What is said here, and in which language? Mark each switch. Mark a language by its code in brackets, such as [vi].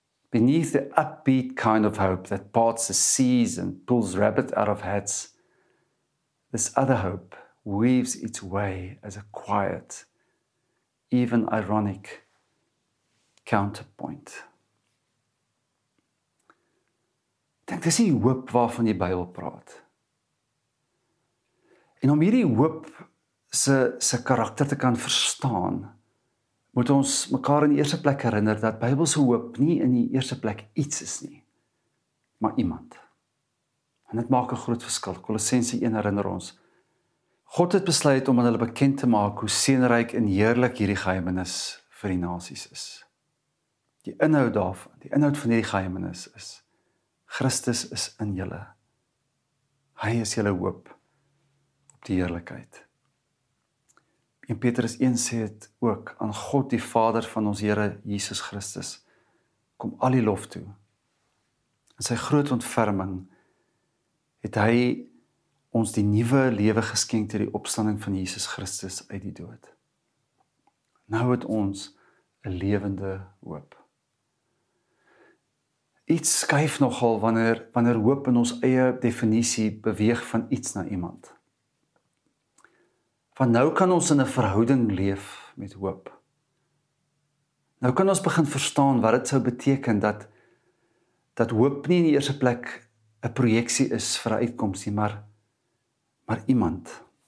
[en] Beneath the upbeat kind of hope that parts the seas and pulls rabbits out of hats, this other hope weaves its way as a quiet, even ironic counterpoint. [af] Dink, dis die hoop waarvan die Bybel praat. En om hierdie hoop se karakter te kan verstaan, moet ons mekaar in die eerste plek herinner dat Bybelse hoop nie in die eerste plek iets is nie, maar iemand. En dit maak 'n groot verskil. Kolossense 1 herinner ons. God het besluit om aan hulle bekend te maak hoe seënryk en heerlik hierdie geheimenis vir die nasies is. Die inhoud van hierdie geheimenis is Christus is in julle. Hy is julle hoop op die heerlikheid. En Petrus 1 sê het ook, aan God die Vader van ons Here Jesus Christus, kom al die lof toe. In sy groot ontferming het hy ons die nuwe lewe geskenk ter die opstanding van Jesus Christus uit die dood. Nou het ons 'n lewende hoop. Iets skuif nogal wanneer hoop in ons eie definisie beweeg van iets na iemand. Van nou kan ons in 'n verhouding leef met hoop. Nou kan ons begin verstaan wat dit sou beteken dat hoop nie in die eerste plek 'n projeksie is vir 'n uitkoms nie, maar iemand.